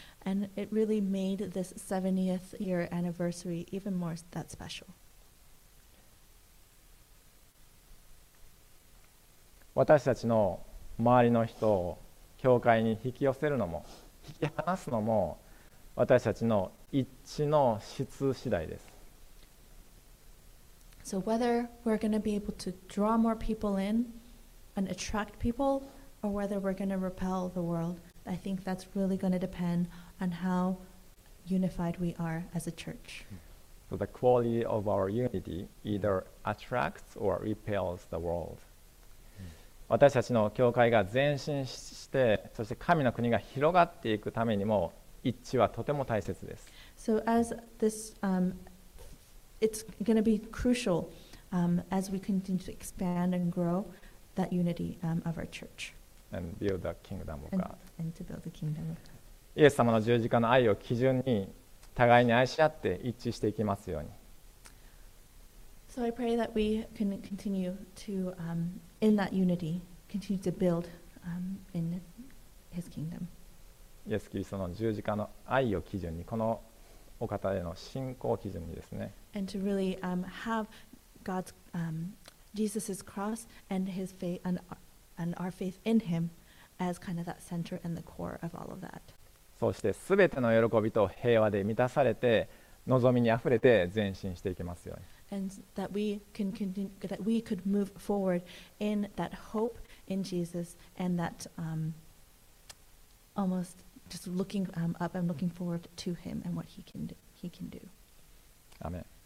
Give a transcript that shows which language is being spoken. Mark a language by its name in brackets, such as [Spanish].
[English] And it really made this 70th year anniversary even more that special. [Japanese] 私たちの周りの人を教会に引き寄せるのも引き離すのも私たちの一致の質次第です。 [English] So whether we're going to be able to draw more people in and attract people, or whether we're going to repel the world, I think that's really going to depend on how unified we are as a church. So the quality of our unity either attracts or repels the world. [Japanese] 私たちの教会が前進して、そして神の国が広がっていくためにも一致はとても大切です。 [English] So as this, it's going to be crucial, as we continue to expand and grow that unity, of our church. And build the kingdom of God. And to build the kingdom of God. [Japanese] イエス様の十字架の愛を基準に互いに愛し合って一致していきますように。 [English] So I pray that we can continue to, in that unity, continue to build, in His kingdom. [Japanese] イエス・キリストの十字架の愛を基準に、このお方への信仰を基準にですね。 [English] And to really, have God's, Jesus's cross and His faith and our faith in Him as kind of that center and the core of all of that. [Japanese] そして全ての喜びと平和で満たされて、望みにあふれて前進していきますように。 [English] And that we can continue, that we could move forward in that hope in Jesus and that, almost just looking, up and looking forward to Him and what He can do. Amen.